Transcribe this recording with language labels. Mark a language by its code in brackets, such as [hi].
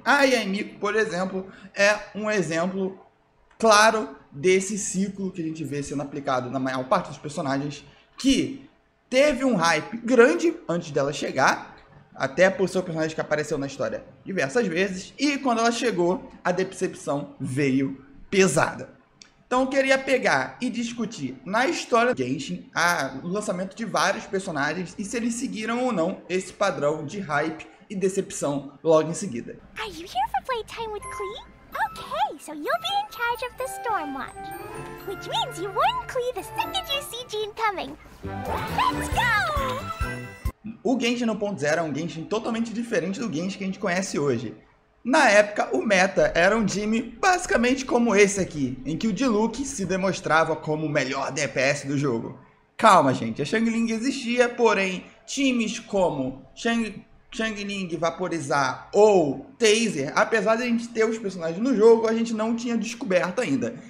[pt] A Yaemiko, por exemplo, é um exemplo claro desse ciclo que a gente vê sendo aplicado na maior parte dos personagens, que teve um hype grande antes dela chegar, até por ser o personagem que apareceu na história diversas vezes, e quando ela chegou, a decepção veio pesada. Então eu queria pegar e discutir na história do Genshin o lançamento de vários personagens e se eles seguiram ou não esse padrão de hype e decepção logo em seguida. [en] Are you here for playtime with Klee? Okay, so you'll be in charge of the Stormwatch. Which means you warn Klee the second you see Jean coming. Let's go! [pt] O Genshin 1.0 é um Genshin totalmente diferente do Genshin que a gente conhece hoje. Na época, o meta era um Jhin basicamente como esse aqui, em que o Diluc se demonstrava como o melhor DPS do jogo. Calma, gente, a Xiangling existia, porém, times como Xiangling, Vaporizar ou Tazer, apesar de a gente ter os personagens no jogo, a gente não tinha descoberto ainda.